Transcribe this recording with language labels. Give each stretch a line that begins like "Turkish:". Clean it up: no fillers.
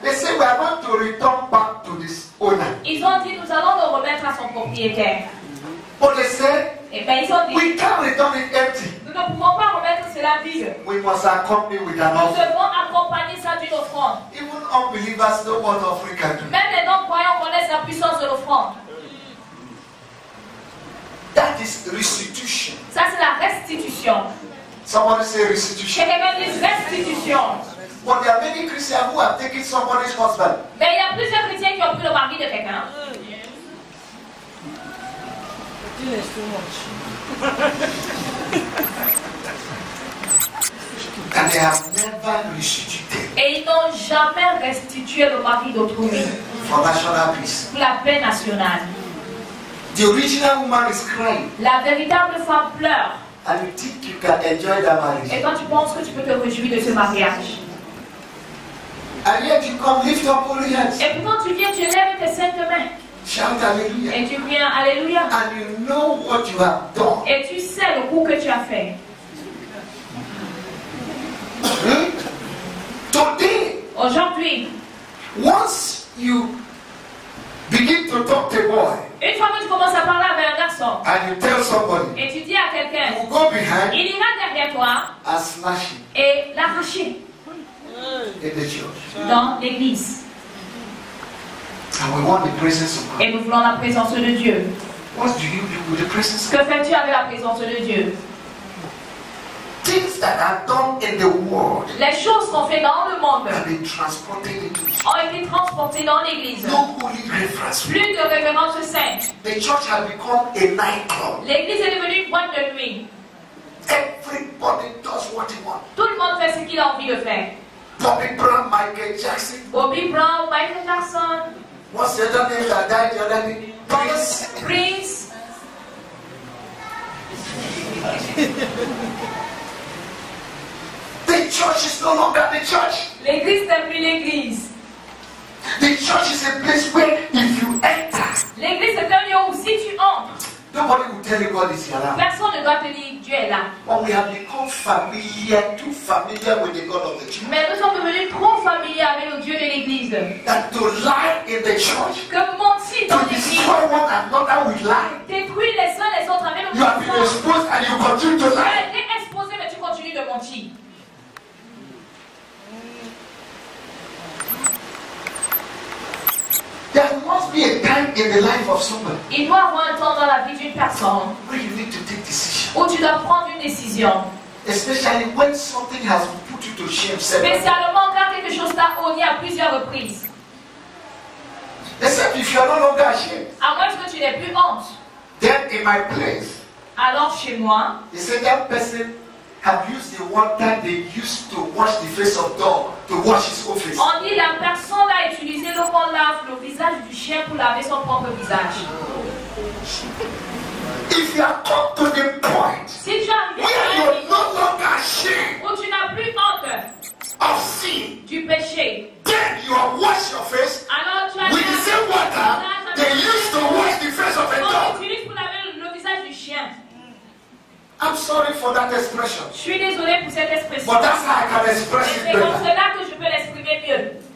English: they say we are going to return back to this owner.
French: Ils ont dit nous allons le remettre à son propriétaire.
English: But they say,
French: et ben ils ont dit,
English: we can't return it empty.
French: Nous ne pouvons pas remettre cela vide.
English: We must accompany with an offering.
French: Nous devons accompagner ça d'une offrande.
English: Even unbelievers know what offering can do.
French: Même les non-croyants connaissent la puissance de l'offrande.
English: That is restitution.
French: Ça c'est la restitution.
English: Someone say restitution.
French: Quelqu'un dit restitution.
English: But there are many Christians who have taken somebody's husband.
French: Mais il y a plusieurs chrétiens qui ont pris le mari de quelqu'un.
English: And they have never restituted.
French: Et ils n'ont jamais restitué le mari d'autrui.
English: For national peace.
French: Pour la paix nationale.
English: The original woman is crying.
French: La véritable femme pleure.
English: And you think you can enjoy that marriage.
French: Et quand tu penses que tu peux te réjouir de ce mariage.
English: And yet you come lift up holy hands.
French: Et pourtant tu viens, tu lèves tes saintes mains.
English: Shout alléluia.
French: Et tu viens, alléluia.
English: And you know what you have done.
French: Et tu sais le coup que tu as fait.
English: Today.
French: Aujourd'hui.
English: Once you begin to talk to a boy.
French: Une fois que tu commences à parler avec un garçon.
English: And you tell somebody.
French: Et tu dis à quelqu'un.
English: You go behind.
French: Il ira derrière toi.
English: And smash him.
French: Et l'arracher. Dans l'église.
English: And we want the presence of God.
French: Et nous voulons la présence de Dieu.
English: What do you do with the presence?
French: Que fais-tu avec la présence de Dieu?
English: Things that are done in the world.
French: Les choses qu'on fait dans le monde.
English: Have been transported into.
French: Ont été transportées dans l'église.
English: No holy reference.
French: Plus de référence sainte.
English: The church has become a nightclub.
French: L'église est devenue une boîte de nuit.
English: Everybody does what he wants.
French: Tout le monde fait ce qu'il a envie de faire.
English: Bobby Brown, Michael Jackson.
French: Bobby Brown, Michael Jackson.
English: What's the other name that died the other day? Prince. Prince. The church is no longer the church.
French: L'église n'est plus l'église.
English: The church is a place where if you enter.
French: L'église est un lieu où si tu entres.
English: Nobody will tell you God is here.
French: Personne ne doit te dire Dieu est là.
English: But we have become familiar, too familiar with the God of the church.
French: Mais nous sommes devenus trop familiers avec le Dieu de l'Église.
English: That to lie in the church.
French: Que mentir dans l'Église.
English: To destroy one another with lie.
French: Détruire les uns les autres avec le.
English: You have been exposed and you continue to lie.
French: Tu as été exposé mais tu continues de mentir.
English: There must be a time in the life of somebody.
French: Il doit avoir un temps dans la vie d'une personne.
English: Where you need to take decision.
French: Où tu dois prendre une décision.
English: Especially when something has put you to shame.
French: Spécialement quand quelque chose t'a honni à plusieurs reprises.
English: Except if you are no longer ashamed.
French: À moins que tu n'aies plus honte.
English: Then in my place.
French: Alors chez moi.
English: The second person. Have used the water they used to wash the face of dog to wash his own face.
French: On dit la personne a utilisé l'eau qu'on lave le visage du chien pour laver son propre visage.
English: If you are come to the point,
French: si tu arrives
English: where you are no longer ashamed,
French: où tu n'as plus honte
English: of sin,
French: du péché,
English: then you have washed your face.
French: Alors tu as
English: with the same water they used to wash the face of a dog.
French: On utilise pour laver le visage du chien.
English: I'm sorry for that expression.
French: Je suis désolé pour cette expression.
English: But that's how I can express
French: mais
English: it better.
French: C'est comme cela que je peux l'exprimer mieux.